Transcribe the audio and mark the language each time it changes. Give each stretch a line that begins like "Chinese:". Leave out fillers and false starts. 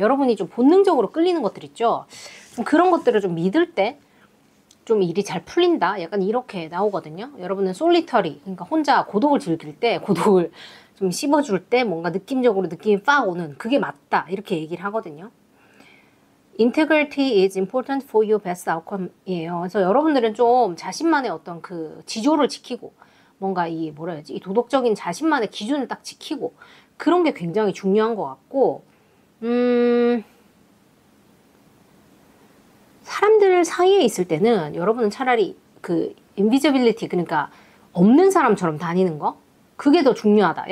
Korean: 여러분이 좀 본능적으로 끌리는 것들 있죠? 좀 그런 것들을 좀 믿을 때 좀 일이 잘 풀린다? 약간 이렇게 나오거든요. 여러분은 솔리터리, 그러니까 혼자 고독을 즐길 때, 고독을 좀 씹어줄 때 뭔가 느낌적으로 느낌이 빡 오는 그게 맞다, 이렇게 얘기를 하거든요.
English: Integrity is important for your best outcome
Korean: 이에요. 그래서 여러분들은 좀 자신만의 어떤 그 지조를 지키고 뭔가 이 뭐라 해야지, 이 도덕적인 자신만의 기준을 딱 지키고 그런 게 굉장히 중요한 것 같고, 사람들 사이에 있을 때는 여러분은 차라리 그 invisibility, 그러니까 없는 사람처럼 다니는 거, 그게 더 중요하다.